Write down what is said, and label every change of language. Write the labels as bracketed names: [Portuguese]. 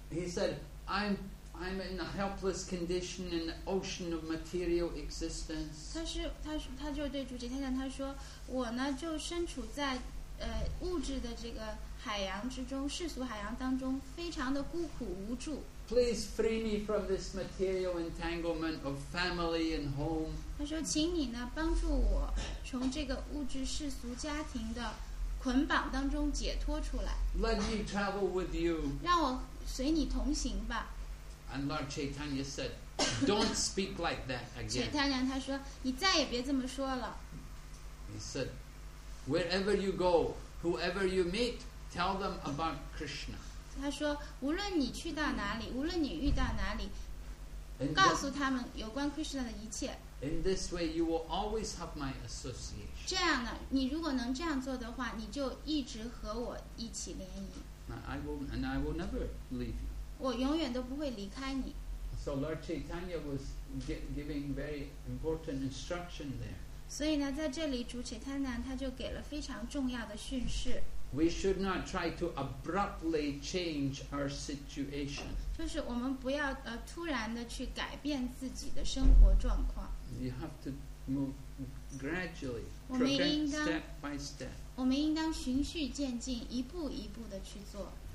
[English] He said, I'm in a helpless condition in the ocean of material existence. [Chinese] 他就对主Chaitanya说，我呢就身处在物质的这个海洋之中，世俗海洋当中，非常的孤苦无助。 [English] Please free me from this material entanglement of family and home. [Chinese] 他说，请你呢帮助我从这个物质世俗家庭的捆绑当中解脱出来。 [English] Let me travel with you. [Chinese] 让我随你同行吧。 [English] And Lord Chaitanya said, "Don't speak like that again." [Chinese] 钱太良他说，你再也别这么说了。 [English] He said, "Wherever you go, whoever you meet, tell them about Krishna." [Chinese] 他说，无论你去到哪里，无论你遇到哪里，告诉他们有关 Krishna 的一切。 [English] In this way, you will always have my association. [Chinese] 这样呢，你如果能这样做的话，你就一直和我一起联谊。 [English] I will never leave you. [Chinese] 我永远都不会离开你。 [English] So Lord Chaitanya was giving very important instruction there. [Chinese] 所以呢，在这里主且贪婪他就给了非常重要的训示。 [English] We should not try to abruptly change our situation. [Chinese] 就是我们不要突然的去改变自己的生活状况。 [English] You have to move gradually, step by step. [Chinese] 我们应当循序渐进，一步一步的去做。